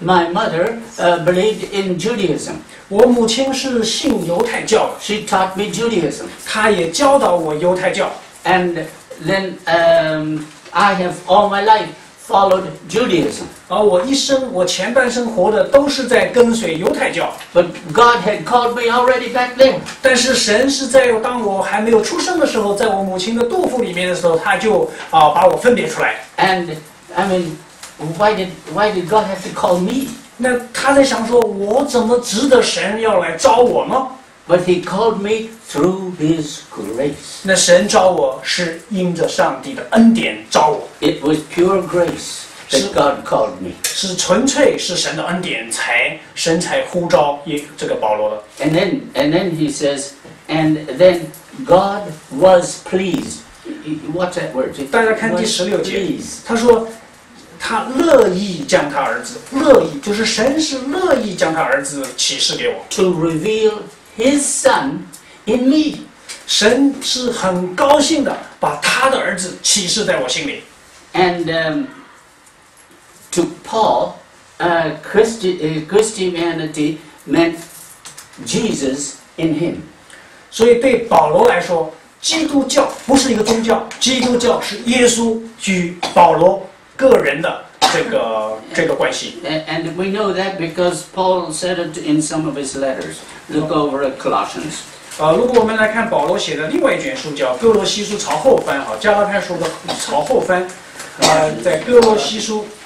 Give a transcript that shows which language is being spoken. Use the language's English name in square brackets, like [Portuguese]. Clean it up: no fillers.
[English] My mother believed in Judaism. [Chinese] 我母亲是信犹太教。 [English] She taught me Judaism. [Chinese] 她也教导我犹太教。 [English] And then I have all my life. Followed Judaism. [Chinese] 而我一生，我前半生活的都是在跟随犹太教。 [English] But God had called me already back then. [Chinese] 但是神是在当我还没有出生的时候，在我母亲的肚腹里面的时候，他就把我分别出来。 [English] And I mean, why did God have to call me? [Chinese] 那他在想说，我怎么值得神要来召我吗？ [English] But He called me through His grace. [Chinese] 那神召我是因着上帝的恩典召我。 [English] It was pure grace that God called me. [Chinese] 是纯粹是神的恩典才神才呼召这个保罗的。 [English] And then he says, and then God was pleased. What's that word? [Chinese] 大家看第十六节，他说他乐意将他儿子，乐意就是神是乐意将他儿子启示给我。 [English] To reveal His Son in me. [Chinese] 神是很高兴的把他的儿子启示在我心里。 [English] And to Paul, Christianity meant Jesus in him. [Chinese] 所以对保罗来说，基督教不是一个宗教，基督教是耶稣与保罗个人的这个关系。 [English] And we know that because Paul said it in some of his letters. Look over at Colossians. [Chinese] 如果我们来看保罗写的另外一卷书叫哥罗西书朝后翻，好，加拉太书的朝后翻，在哥罗西书